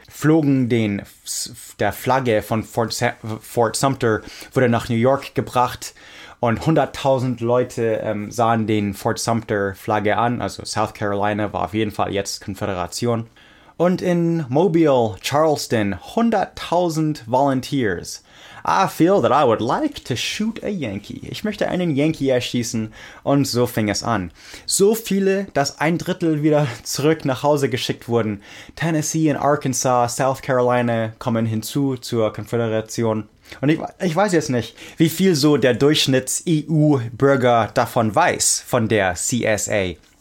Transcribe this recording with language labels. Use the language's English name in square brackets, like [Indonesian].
[German] Flogen der Flagge von Fort Sumter, wurde nach New York gebracht, und 100.000 Leute sahen den Fort Sumter Flagge an. Also South Carolina war auf jeden Fall jetzt Konföderation. Und in Mobile, Charleston, 100.000 Volunteers. [English] I feel that I would like to shoot a Yankee. [German] Ich möchte einen Yankee erschießen. Und so fing es an. So viele, dass ein Drittel wieder zurück nach Hause geschickt wurden. Tennessee und Arkansas, South Carolina kommen hinzu zur Konföderation. Und ich weiß jetzt nicht, wie viel so der Durchschnitts-EU-Bürger davon weiß, von der CSA.